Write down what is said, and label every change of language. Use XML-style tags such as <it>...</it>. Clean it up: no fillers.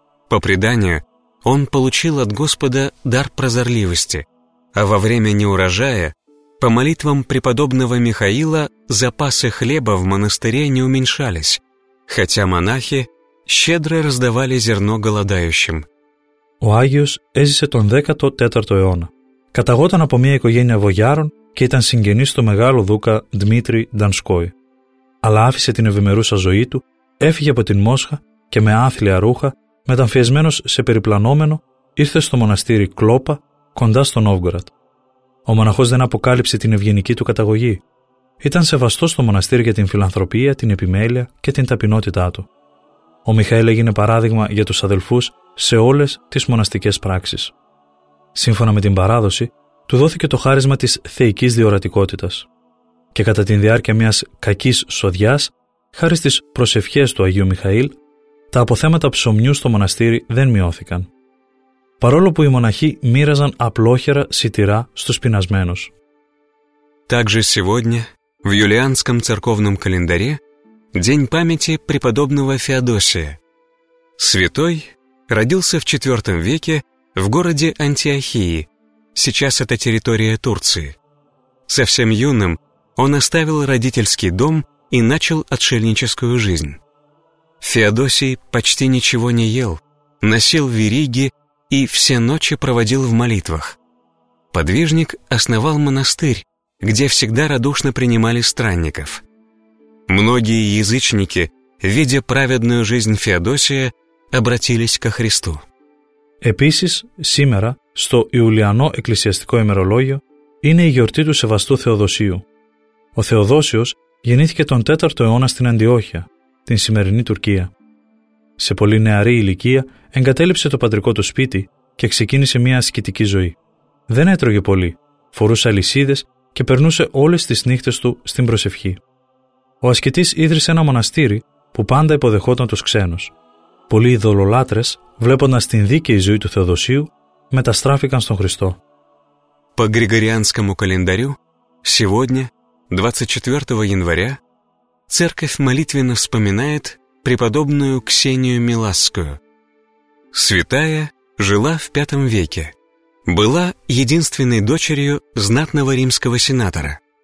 <ru>По преданию, он получил от Господа дар прозорливости, а во время неурожая, по молитвам преподобного Михаила, запасы хлеба в монастыре не уменьшались, хотя монахи щедро раздавали зерно голодающим.</ru> <el>Ο Άγιος έζησε τον 14ο αιώνα. Καταγόταν από μια οικογένεια βογιάρων και ήταν συγγενής του μεγάλου δούκα Δημήτρη Ντανσκόη. Αλλά άφησε την ευημερούσα ζωή του, έφυγε από την Μόσχα και με άθλια ρούχα, μεταμφιεσμένος σε περιπλανόμενο, ήρθε στο μοναστήρι Κλόπα, κοντά στο Νόβγκορατ. Ο μοναχός δεν αποκάλυψε την ευγενική του καταγωγή. Ήταν σεβαστός στο μοναστήρι για την φιλανθρωπία, την επιμέλεια και την ταπεινότητά του. Ο Μιχαήλ έγινε παράδειγμα για τους αδελφούς σε όλες τις μοναστικές πράξεις. Σύμφωνα με την παράδοση, του δόθηκε το χάρισμα της θεϊκής διορατικότητας. Και κατά τη διάρκεια μιας κακής σοδειάς, χάρη στις προσευχές του Αγίου Μιχαήλ, τα αποθέματα ψωμιού στο μοναστήρι δεν μειώθηκαν. Παρόλο που οι μοναχοί μοίραζαν απλόχερα σιτηρά στους πεινασμένους.</el> <ru>Также сегодня, в юлианском церковном календаре, день памяти преподобного Феодосия. Святой родился в 4 веке в городе Антиохии, сейчас это территория Турции. Совсем юным он оставил родительский дом и начал отшельническую жизнь. Феодосий почти ничего не ел, носил вериги и все ночи проводил в молитвах. Подвижник основал монастырь, где всегда радушно принимали странников. Многие язычники, видя праведную жизнь Феодосия, обратились ко Христу.</ru> <el>Επίσης, σήμερα, στο Ιουλιανό εκκλησιαστικό ημερολόγιο, είναι η γιορτή του Σεβαστού Θεοδοσίου. Ο Θεοδόσιος γεννήθηκε τον 4ο αιώνα στην Αντιόχεια, την σημερινή Τουρκία. Σε πολύ νεαρή ηλικία εγκατέλειψε το πατρικό του σπίτι και ξεκίνησε μια ασκητική ζωή. Δεν έτρωγε πολύ, φορούσε αλυσίδες και περνούσε όλες τις νύχτες του στην προσευχή. Ο ασκητής ίδρυσε ένα μοναστήρι που πάντα υποδεχόταν τους ξένους. Πολλοί ειδωλολάτρες, βλέποντας την δίκαιη ζωή του Θεοδοσίου, μεταστράφηκαν στον Χριστό.</el> <ru>По Григорианскому календарю, сегодня, 24 января, церковь молитвенно вспоминает преподобную Ксению Миласскую. Святая жила в V веке. Была единственной дочерью знатного римского сенатора.</ru>